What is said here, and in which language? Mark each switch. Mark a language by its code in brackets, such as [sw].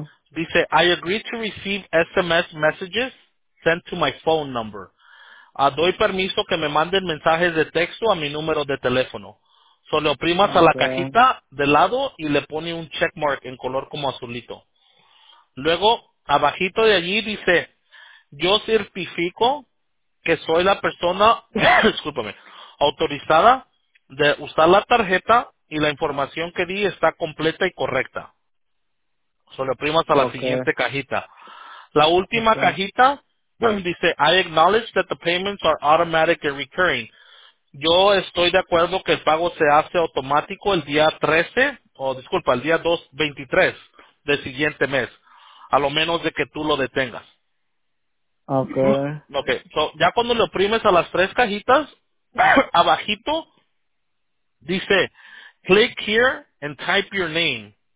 [es] Dice, [en] I agree to receive SMS messages sent to my phone number. [es] Doy permiso que me manden mensajes de texto a mi número de teléfono. Solo oprimas a la cajita de lado y le pone un checkmark en color como azulito. Luego, abajito de allí dice, yo certifico que soy la persona, discúlpame, autorizada de usar la tarjeta y la información que di está completa y correcta. Solo oprimas hasta la siguiente cajita. La última cajita dice, [en] I acknowledge that the payments are automatic and recurring. [es] Yo estoy de acuerdo que el pago se hace automático el día 13, el día 23 del siguiente mes. A lo menos de que tú lo detengas. [en] Okay. [es] Okay. So, ya cuando le oprimes a las tres cajitas, abajito, dice, [en] click here and type your name.